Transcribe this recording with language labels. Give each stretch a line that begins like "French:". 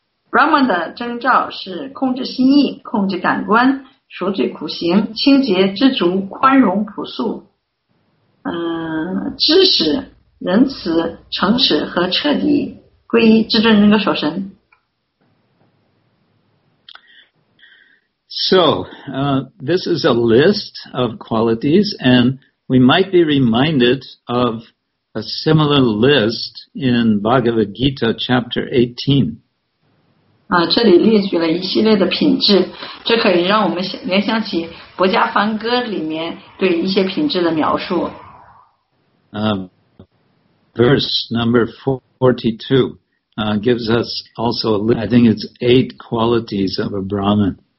Chinese: Brahman 的征兆是控制心意，控制感官，赎罪苦行，清洁知足，宽容朴素，知识、仁慈、诚实和彻底皈依至尊人格所神。
English: So, this is a list of qualities, and we might be reminded of a similar list in Bhagavad Gita chapter 18.
Chinese: 这里列举了一系列的品质，这可以让我们联想起《薄伽梵歌》里面对一些品质的描述。
English: Verse number 42 gives us also, I think it's 8 qualities of a Brahman.